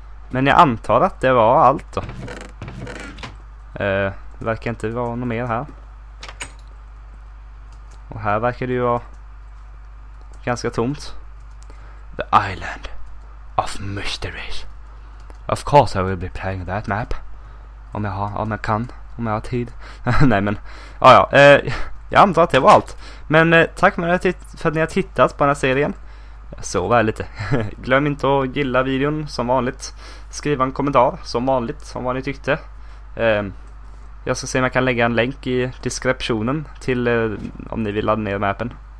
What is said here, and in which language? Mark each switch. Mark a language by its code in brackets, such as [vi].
[sv] Men jag antar att det var allt då. Det verkar inte vara något mer här. Och här verkar det ju vara ganska tomt. [en] The Island of Mystery. Of course I will be playing that map. [sv] Om jag har tid. Nej men. Ja. Jag antar att det var allt. Men tack för att ni har tittat på den här serien. Jag sover lite. Glöm inte att gilla videon som vanligt. Skriva en kommentar som vanligt om vad ni tyckte. Jag ska se om jag kan lägga en länk i descriptionen till om ni vill ladda ner mappen.